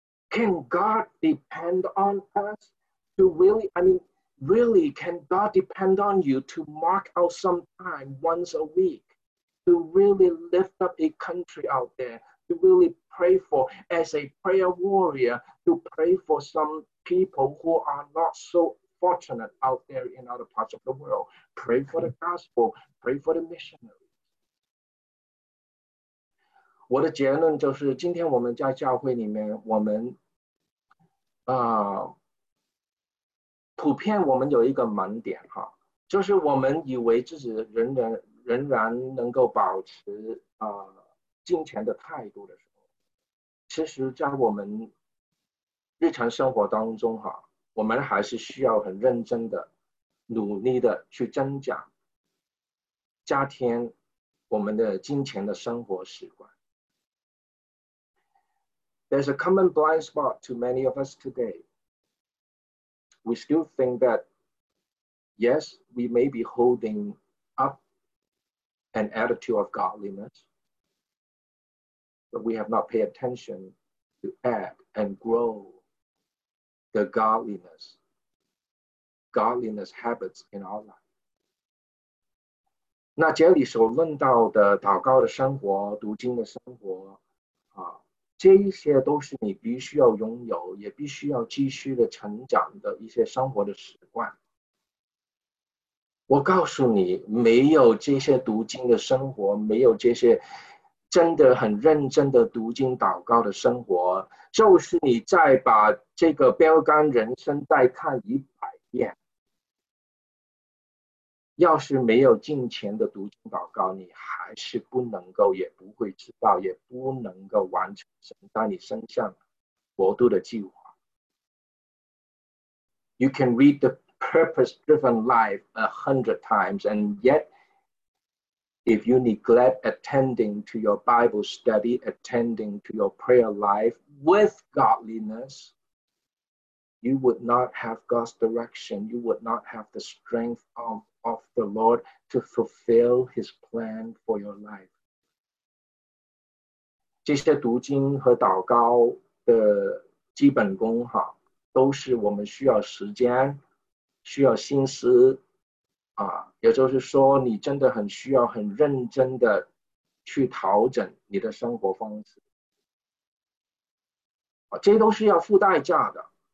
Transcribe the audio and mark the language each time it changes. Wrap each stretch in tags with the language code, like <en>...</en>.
<en>Can God depend on us? Really, can God depend on you to mark out some time once a week to really lift up a country out there, to really pray for, as a prayer warrior, to pray for some people who are not so fortunate out there in other parts of the world? Pray for the gospel, pray for the missionaries.</en> <zh>我的结论就是今天我们在教会里面我们普遍我们有一个盲点哈，就是我们以为自己仍然能够保持敬虔的态度的时候，其实在我们日常生活当中哈，我们还是需要很认真的努力的去增加加添我们的敬虔的生活习惯。</zh> <en>There's a common blind spot to many of us todayWe still think that, yes, we may be holding up an attitude of godliness, but we have not paid attention to add and grow the godliness habits in our life.</en> <zh>那这里所论到的祷告的生活、读经的生活，啊，这一些都是你必须要拥有也必须要继续的成长的一些生活的习惯。我告诉你，没有这些读经的生活，没有这些真的很认真的读经祷告的生活，就是你再把这个标杆人生再看一百遍，要是没有敬虔的读经祷告，你还是不能够，也不会知道，也不能够完成神带你升向国度的计划。</zh> <en>You can read the purpose-driven life 100 times, and yet, if you neglect attending to your Bible study, attending to your prayer life with godliness, you would not have God's direction, you would not have the strength of the Lord to fulfill his plan for your life.</en> <zh>这些读经和祷告的基本功哈，都是我们需要时间需要心思啊，也就是说你真的很需要很认真的去调整你的生活方式、啊、这都是要付代价的。</zh>